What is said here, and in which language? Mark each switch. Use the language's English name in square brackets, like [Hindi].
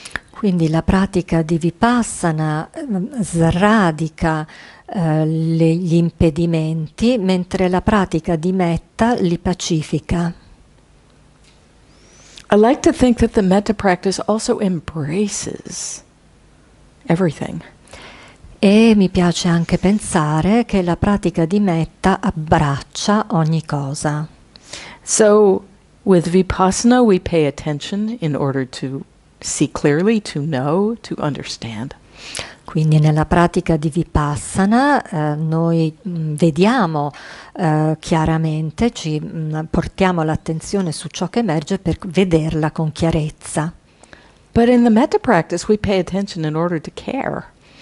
[Italian] Quindi la pratica di Vipassana sradica gli impedimenti, mentre la pratica di Metta li pacifica. [English] I like to think that the Metta practice also embraces everything. [Italian] E mi piace anche pensare che la pratica di Metta abbraccia ogni cosa. [English] So, with Vipassana we pay attention in order to see clearly, to know, to understand. [Italian] Quindi nella pratica di Vipassana noi vediamo chiaramente, ci portiamo l'attenzione su ciò che emerge per vederla con chiarezza. [English] But in the metta practice we pay attention in order to care.